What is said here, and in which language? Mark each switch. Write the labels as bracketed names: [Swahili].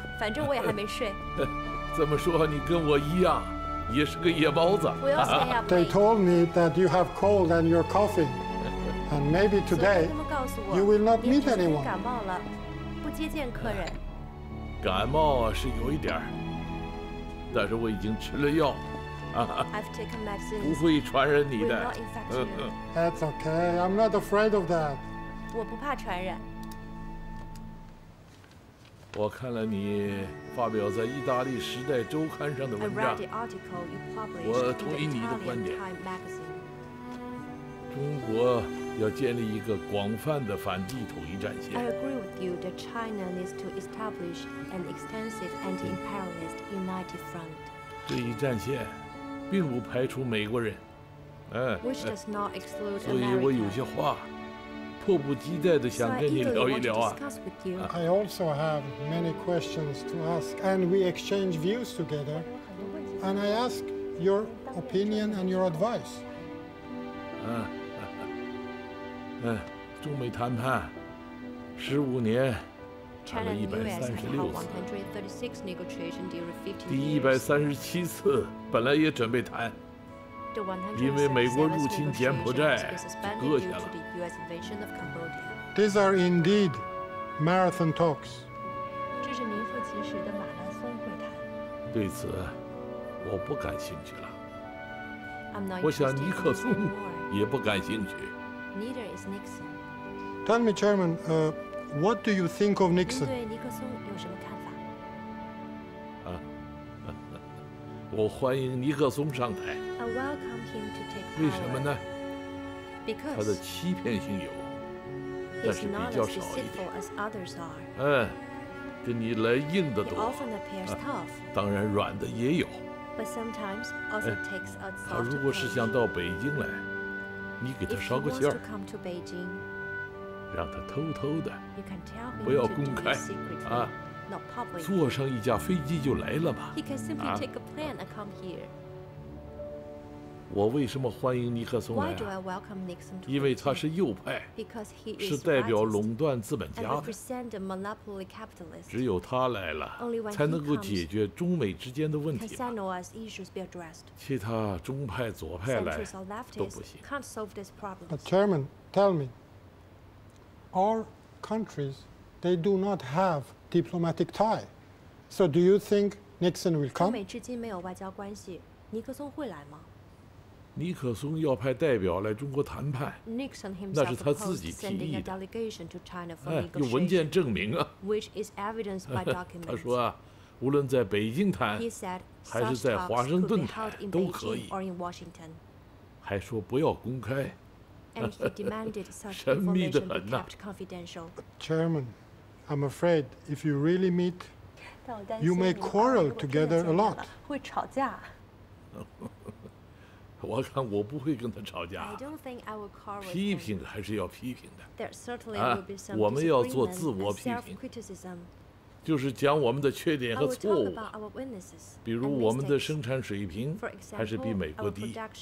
[Chinese] 没关系的，反正我也还没睡。怎么说，你跟我一样。也是个野包子。 [English] They told me that you have cold and you're coughing. And maybe today, you will not meet anyone. [Chinese] 感冒了，不接见客人。感冒是有一点，但是我已经吃了药。 [English] I've taken medicine. [Chinese] 不会传染你的。 [English] That's okay. I'm not afraid of that. [Chinese] 我不怕传染。我看了你发表在意大利《时代周刊》上的文章，我同意你的观点。中国要建立一个广泛的反帝统一战线。 [English] I agree with you that China needs to establish an extensive anti-imperialist united front. [Chinese] 这一战线并不排除美国人， [English] Which does not exclude America. [Chinese] 所以我有些话。迫不及待地想跟你聊一聊啊 [English] ！I also have many questions to ask, and we exchange views together. And I ask your opinion and your advice. [Chinese] 中美谈判十五年，谈了136次，第137次本来也准备谈。因为美国入侵柬埔寨，搁下了。 [English] These are indeed marathon talks. [Chinese] 这是名副其实的马拉松会谈。对此，我不感兴趣了。 [English] I'm not. [Chinese] 我想尼克松也不感兴趣。 [English] Neither is Nixon. Tell me, Chairman, what do you think of Nixon? [Chinese] 您对尼克松有什么看法？我欢迎尼克松上台。 [English] I welcome him to take power. [Chinese] 为什么呢？ [English] Because [Chinese] 他的欺骗性有，但是比较少一点。跟你来硬的多。 [English] He often appears tough. [Chinese] 当然软的也有。 [English] But sometimes also takes a soft. [Chinese] 他如果是想到北京来，你给他捎个信儿。 [English] If he wants to come to Beijing, [Chinese] 让他偷偷的， [English] you can tell him [Chinese] 不要公开啊。坐上一架飞机就来了嘛。 [English] He can simply take a plane and come here. [Chinese] 我为什么欢迎尼克松来？因为他是右派，是代表垄断资本家的。只有他来了，才能够解决中美之间的问题。其他中派、左派来都不行。 [English] But Chairman, tell me, our countries they do not have diplomatic tie, so do you think Nixon will come? [Chinese] 中美至今没有外交关系，尼克松会来吗？尼克松要派代表来中国谈判，那是他自己提议的。有文件证明啊。他说啊，无论在北京谈，还是在华盛顿谈，都可以。还说不要公开，神秘的很呐。 [English] Chairman, I'm afraid if you really meet, you may quarrel together a lot. [Chinese] 会吵架。我看我不会跟他吵架，批评还是要批评的。我们要做自我批评，就是讲我们的缺点和错误，比如我们的生产水平还是比美国低。